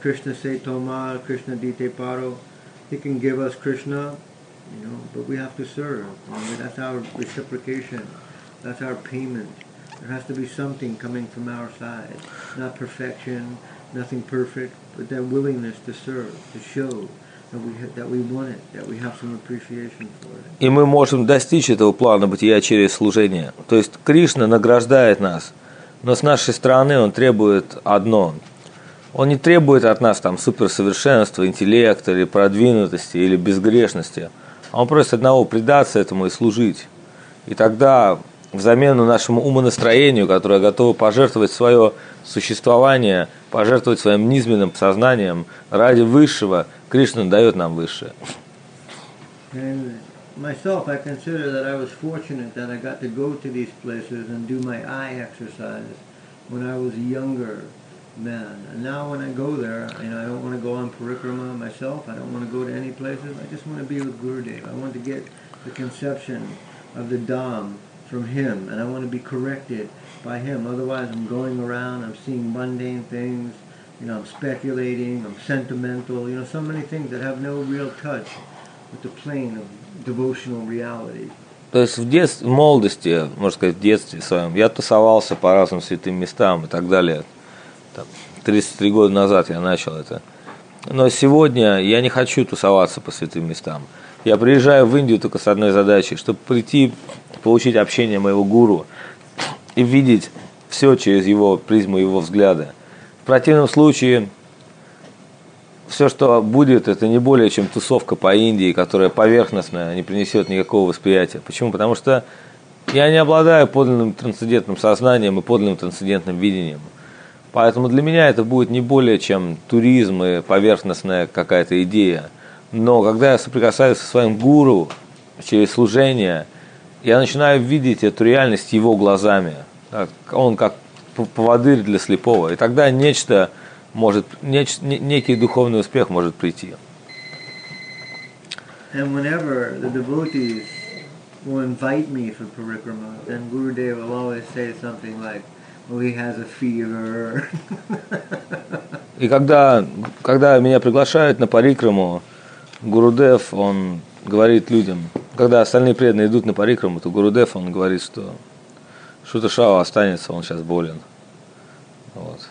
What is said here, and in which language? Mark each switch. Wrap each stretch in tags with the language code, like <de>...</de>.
<bn>Krishna se toma, Krishna dite paro.</bn> <en>He can give us Krishna, you know, but we have to serve. I mean, that's our reciprocation. That's our payment. There has to be something coming from our side. Not perfection, nothing perfect, but that willingness to serve, to show that we want it, that we have some appreciation for it.</en> <ru>И мы можем достичь этого плана бытия через служение. То есть Кришна награждает нас, но с нашей стороны он требует одно. Он не требует от нас там суперсовершенства, интеллекта или продвинутости, или безгрешности. Он просит одного предаться этому и служить. И тогда взамен нашему умонастроению, которое готово пожертвовать свое существование, пожертвовать своим низменным сознанием ради Высшего, Кришна дает нам Высшее.</ru> <en>Myself, I consider that I was fortunate that I got to go to these places and do my eye exercise when I was younger. Man, and now when I go there, you know, I don't want to go on parikrama myself. I don't want to go to any places. I just want to be with Gurudev. I want to get the conception of the Dham from him, and I want to be corrected by him. Otherwise, I'm going around, I'm seeing mundane things, you know, I'm speculating, I'm sentimental, you know, so many things that have no real touch with the plane of devotional reality.</en> <ru>То есть в детстве своем, я тусовался по разным святым местам и так далее. 33 года назад я начал это. Но сегодня я не хочу тусоваться по святым местам. Я приезжаю в Индию только с одной задачей, чтобы прийти, получить общение моего гуру и видеть все через его призму, его взгляды. В противном случае, все, что будет, это не более чем тусовка по Индии, которая поверхностная, не принесет никакого восприятия. Почему? Потому что я не обладаю подлинным трансцендентным сознанием и подлинным трансцендентным видением. Поэтому для меня это будет не более чем туризм и поверхностная какая-то идея. Но когда я соприкасаюсь со своим гуру через служение, я начинаю видеть эту реальность его глазами. Он как поводырь для слепого. И тогда некий духовный успех может прийти.</ru> <en>And whenever the devotees will invite me for parikrama, then Gurudev will always say something like, Oh, he has a fever.</en> <ru>И когда меня приглашают на парикраму, Гурудев, он говорит людям, когда остальные преданные идут на парикраму, то Гурудев, он говорит, что Шута-Шава останется, он сейчас болен. Вот.</ru>